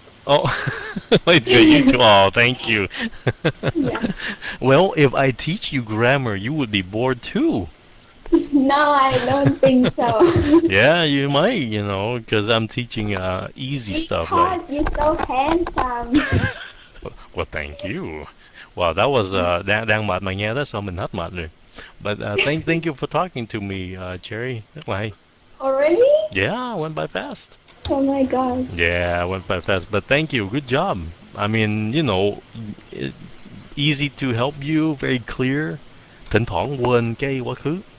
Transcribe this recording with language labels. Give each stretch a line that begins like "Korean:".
English: Oh, my dear, you too. Oh, thank you. Yeah. Well, if I teach you grammar, you would be bored too. No, I don't think so. Yeah, you might, you know, because I'm teaching easy because stuff. Because you're so handsome. Well, thank you. Wow, that was
Vietnamese: đang mệt mà nghe đó, sao mình hết mệt rồi.
English: But thank you for talking to me, Cherry. Why? Already? Yeah, I went by fast. Oh my god. Yeah, I went by fast. But thank you. Good job. I mean, you know, easy to help you, very clear.
Vietnamese: Thỉnh thoảng quên cái quá khứ.